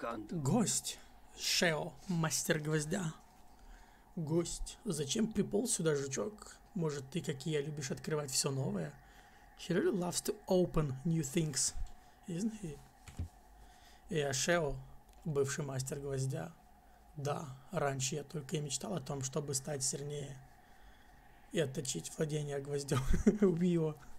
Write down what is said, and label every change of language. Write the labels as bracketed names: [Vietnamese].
[Russian] Гость, Шео, мастер гвоздя. Гость, зачем приполз сюда, жучок? Может, ты, как и я, любишь открывать все новое? [English] He really loves to open new things, isn't he? [Russian] Я Шео, бывший мастер гвоздя. Да, раньше я только и мечтал о том, чтобы стать сильнее и отточить владение гвоздем. Убей его.